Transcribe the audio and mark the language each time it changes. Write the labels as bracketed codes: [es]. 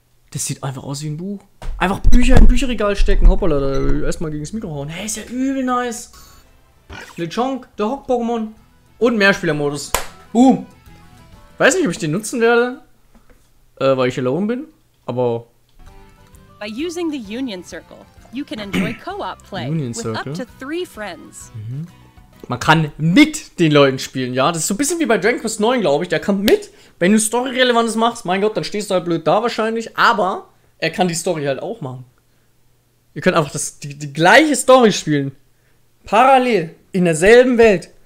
[de] Das sieht einfach aus wie ein Buch. Einfach Bücher in Bücherregal stecken. Hoppala, da erstmal gegen das Mikro hauen. Hey, ist ja übel nice. Lechonk, der Hock-Pokémon und Mehrspielermodus. Boom! Weiß nicht, ob ich den nutzen werde, weil ich alone bin, aber. [en] By using the Union Circle, you can enjoy co-op play with up to 3 friends. [de] Man kann mit den Leuten spielen, ja? Das ist so ein bisschen wie bei Dragon Quest 9, glaube ich. Der kann mit, wenn du Story-Relevantes machst, mein Gott, dann stehst du halt blöd da wahrscheinlich, aber er kann die Story halt auch machen. Ihr könnt einfach die gleiche Story spielen. Parallel, in derselben Welt.